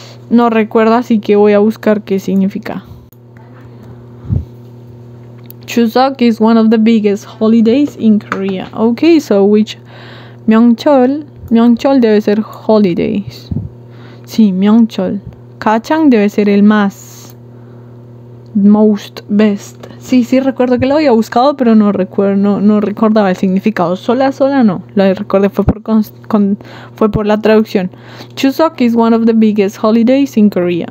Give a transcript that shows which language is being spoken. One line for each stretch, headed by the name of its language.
Spanish: No recuerdo, así que voy a buscar qué significa.
English: Chuseok is one of the biggest holidays in Korea. Okay, so which
Spanish: Myeongchol debe ser holidays. Sí, Myeongchol. Kachang debe ser el más. Most, best. Sí, sí, recuerdo que lo había buscado, pero no recuerdo, no recordaba el significado. Sola no. Lo recordé fue por la traducción.
English: Chuseok is one of the biggest holidays in Korea.